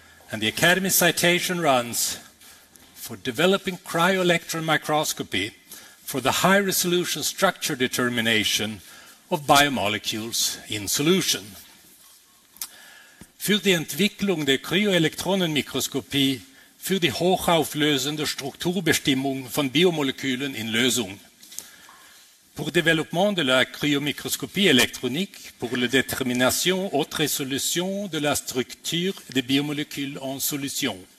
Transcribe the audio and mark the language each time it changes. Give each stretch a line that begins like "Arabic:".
English: And the Academy citation runs, for developing cryo-electron microscopy for the high-resolution structure determination of biomolecules in solution.
German: Für die Entwicklung der Kryoelektronenmikroskopie für die hochauflösende Strukturbestimmung von Biomolekülen in Lösung.
French: Pour développement de la cryomicroscopie électronique pour la détermination haute résolution de la structure des biomolécules en solution.